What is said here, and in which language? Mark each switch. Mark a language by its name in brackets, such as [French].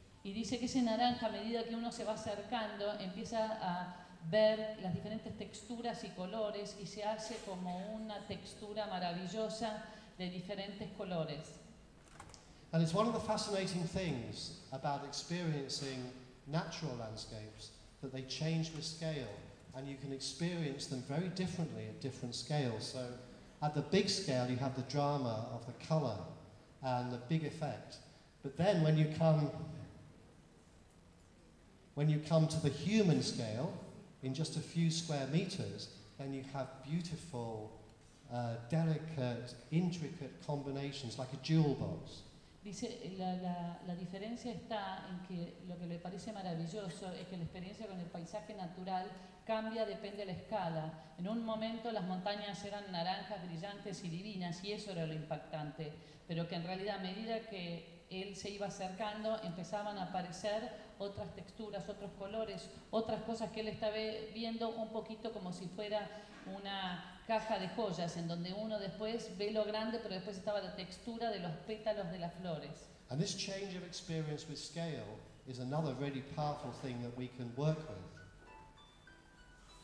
[Spanish] Y dice que ese naranja, a medida que uno se va acercando, empieza a ver las diferentes texturas y colores y se hace como una textura maravillosa de diferentes colores. [English] And it's one of the fascinating things about experiencing natural landscapes that they change with scale, and you can experience them very differently at different scales. So at the big scale, you have the drama of the color and the big effect. But then when you come to the human scale, in just a few square meters, then you have beautiful, delicate, intricate combinations, like a jewel box. [Spanish] Dice, la diferencia está en que lo que le parece maravilloso es que la experiencia con el paisaje natural cambia, depende de la escala. En un momento las montañas eran naranjas, brillantes y divinas, y eso era lo impactante. Pero que en realidad, a medida que él se iba acercando, empezaban a aparecer otras texturas, otros colores, otras cosas que él estaba viendo un poquito como si fuera una caja de joyas, en donde uno después ve lo grande, pero después estaba la textura de los pétalos de las flores. [English] And this change of experience with scale is another really powerful thing that we can work with.